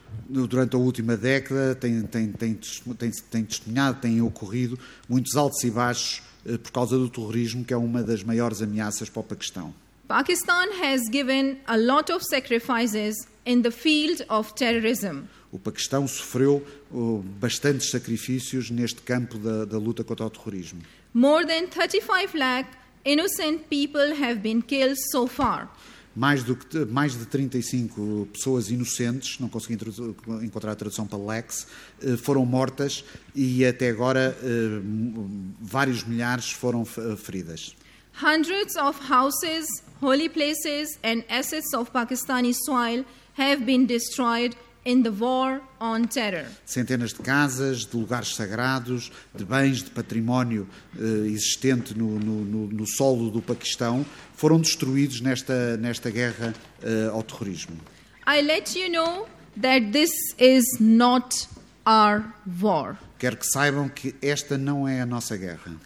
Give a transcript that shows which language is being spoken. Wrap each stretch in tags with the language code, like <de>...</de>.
<pt>Durante a última década tem testemunhado, tem ocorrido muitos altos e baixos por causa do terrorismo, que é uma das maiores ameaças para o Paquistão.</pt> <en>Pakistan has given a lot of sacrifices in the field of terrorism.</en> <pt>O Paquistão sofreu bastantes sacrifícios neste campo da luta contra o terrorismo.</pt> <en>More than 35 lakh innocent people have been killed so far.</en> <pt>Mais de 35 pessoas inocentes, não consegui encontrar a tradução para lakhs, foram mortas e até agora vários milhares foram feridas.</pt> <en>Hundreds of houses, holy places and assets of Pakistani soil have been destroyed in the war on terror.</en> <pt>Centenas de casas, de lugares sagrados, de bens, de património existente no solo do Paquistão foram destruídos nesta guerra ao terrorismo.</pt> <en>I let you know that this is not our war.</en> <pt>Quero que saibam que esta não é a nossa guerra.</pt>